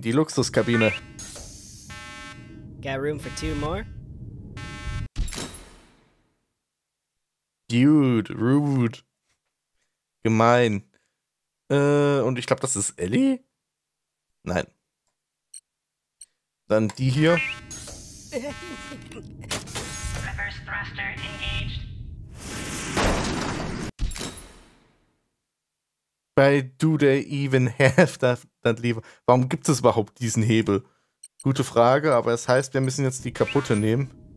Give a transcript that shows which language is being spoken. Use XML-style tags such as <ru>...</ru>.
<de>Die Luxuskabine.</de> <en>Got room for two more? Dude, rude. Gemein.</en> <de>Und ich glaube, das ist Ellie? Nein. Dann die hier.</de> <en>Reverse thruster engaged. Why do they even have that lever?</en> <de>Warum gibt es überhaupt diesen Hebel? Gute Frage, aber es heißt, wir müssen jetzt die kaputte nehmen.</de>